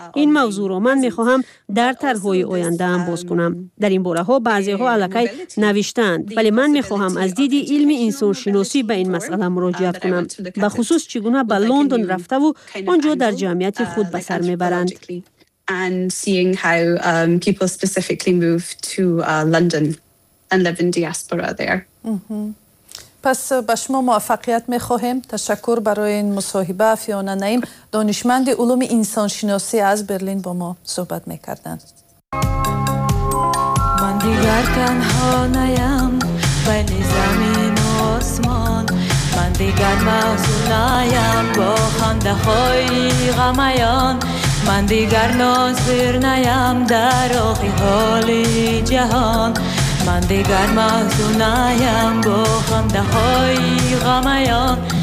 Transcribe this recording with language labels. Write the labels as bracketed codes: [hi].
[fa] این موضوع را من می خواهم در طرح های آینده ام باز کنم. در این باره ها بعضی ها علکی نوشتند، ولی من می خواهم از دید علم انسان شناسی به این مسئله مراجعه کنم، به خصوص چگونه به لندن رفته و آنجا در جمعیت خود به سر می برند. [en] And seeing how people specifically move to London and live in diaspora there. [fa] پس به شما موفقیت می خواهیم. تشکر برای این مصاحبه. فیونا نعیم دانشمند علوم انسان شناسی از برلین با ما صحبت می کردن. من دیگر تنها نیم بین زمین و آسمان، من دیگر موضوع نیم با خنده های غمیان، من دیگر ناظر نیم در آخی حال جهان، من دیگر محضو نیم با خنده های غمیان.